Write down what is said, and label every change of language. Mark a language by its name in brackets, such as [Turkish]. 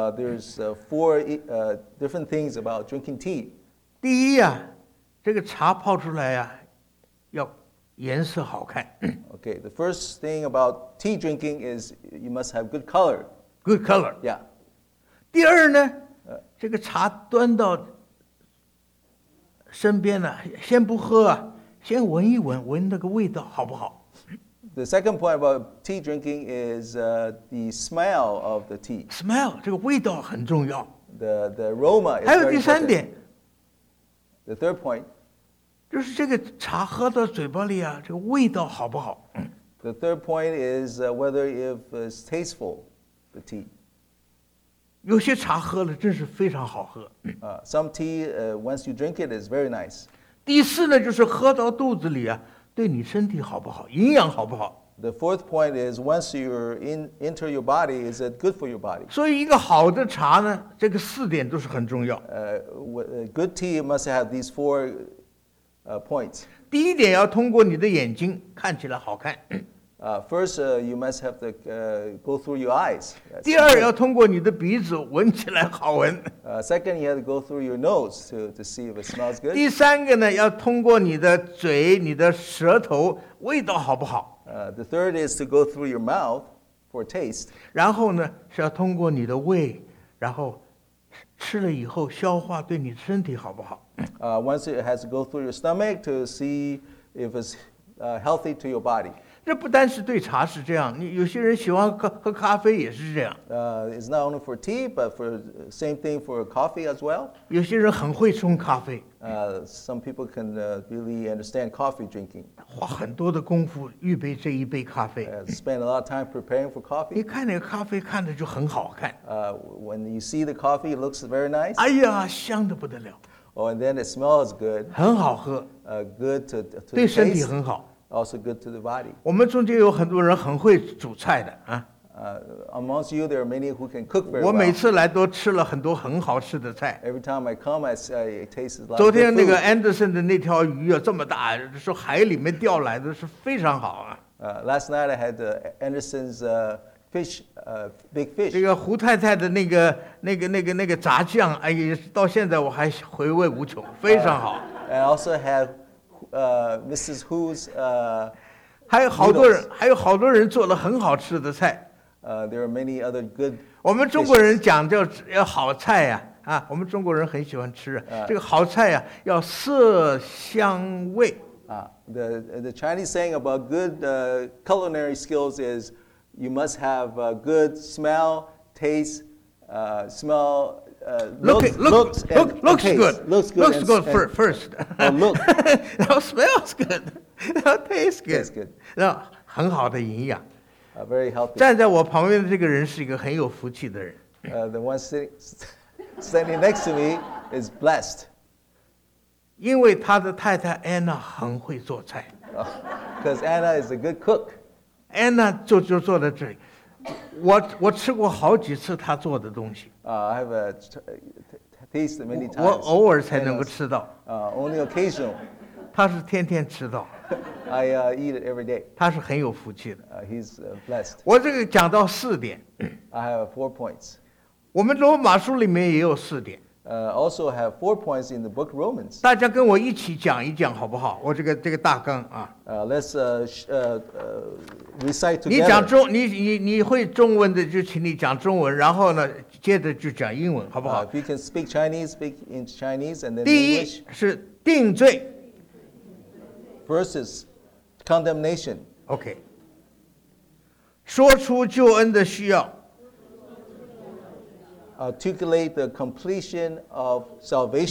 [English] There's four different things about drinking tea. [Chinese] 第一啊，这个茶泡出来啊，要颜色好看。 [English] Okay, the first thing about tea drinking is you must have good color. Good color. Yeah. [Chinese] 第二呢，这个茶端到身边呢，先不喝，先闻一闻，闻那个味道好不好 [English] ？The second point about tea drinking is the smell of the tea. [Chinese] Smell 这个味道很重要。 [English] The aroma is [Chinese] 还有第三点 [English] ，the third point [Chinese] 就是这个茶喝到嘴巴里啊，这个味道好不好 [English] ？The third point is whether if it's tasteful the tea. [Chinese] 有些茶喝了真是非常好喝。 [English] Some tea, once you drink it, is very nice. [Chinese] 第四呢，就是喝到肚子里啊，对你身体好不好，营养好不好。 [English] The fourth point is once you're enter your body, is it good for your body? [Chinese] 所以一个好的茶呢，这个四点都是很重要。 [English] Good tea must have these four points. [Chinese] 第一点要通过你的眼睛看起来好看。 [English] You must have to go through your eyes. [Chinese] 第二要通过你的鼻子闻起来好闻。 [English] Second, you have to go through your nose to see if it smells good. [Chinese] 第三个呢，要通过你的嘴、你的舌头味道好不好。 [English] The third is to go through your mouth for taste. [Chinese] 然后呢，是要通过你的胃，然后吃了以后消化对你身体好不好。 [English] Once it has to go through your stomach to see if it's healthy to your body. [Chinese] 这不单是对茶是这样，你有些人喜欢喝咖啡也是这样。 [English] It's not only for tea, but for same thing for coffee as well. [Chinese] 有些人很会冲咖啡。 [English] Some people can really understand coffee drinking. [Chinese] 花很多的功夫预备这一杯咖啡。 [English] Spend a lot of time preparing for coffee. [Chinese] 你看那个咖啡看着就很好看。 [English] When you see the coffee, it looks very nice. [Chinese] 哎呀，香得不得了。 [English] Oh, and then it smells good. [Chinese] 很好喝。 [English] Good to taste. [Chinese] 对身体很好。 [English] Also good to the body. [Chinese] 我们中间有很多人很会煮菜的啊。 [English] Amongst you, there are many who can cook very well. [Chinese] 我每次来都吃了很多很好吃的菜。 [English] Every time I come, I say it tastes like. [Chinese] 昨天那个 Anderson 的那条鱼啊，这么大，是海里面钓来的，是非常好啊。 [English] Last night I had the Anderson's fish, big fish. [Chinese] 这个胡太太的那个炸酱，哎呀，到现在我还回味无穷，非常好。 [English] I also have, Mrs. Hu's. [Chinese] 还有好多人，还有好多人做了很好吃的菜。 [English] There are many other good. [Chinese] 我们中国人讲叫好菜呀、啊，我们中国人很喜欢吃这个好菜呀、啊，要色香味。 [English] The Chinese saying about good culinary skills is you must have a good smell, taste, smell. Looks good first. Now smells good. Now tastes good. Tastes good. [Chinese] 然后很好的营养。 [English] Very healthy. [Chinese] 站在我旁边的这个人是一个很有福气的人。 [English] The one standing next to me is blessed. [Chinese] 因为他的太太 Anna 很会做菜。 [English] Because Anna is a good cook. [Chinese] Anna 就坐在这里。我吃过好几次他做的东西。 [English] I have tasted many times. [Chinese] 我偶尔才能够吃到。 [English] Only occasional. [Chinese] 他是天天吃到。 [English] I eat it every day. [Chinese] 他是很有福气的。 [English] He's blessed. [Chinese] 我这个讲到四点。 [English] I have four points. [Chinese] 我们罗马书里面也有四点。 [English] Also have four points in the book Romans. [Chinese] 大家跟我一起讲一讲好不好？我这个大纲啊。 [English] Let's recite together. [Chinese] 你讲中，你会中文的就请你讲中文，然后呢，接着就讲英文，好不好 [English] ？If you can speak Chinese, speak in Chinese, and then. [Chinese] 第一是定罪。 [English] Versus condemnation. [Chinese] Okay. 说出救恩的需要。 [English] Articulate the completion of salvation.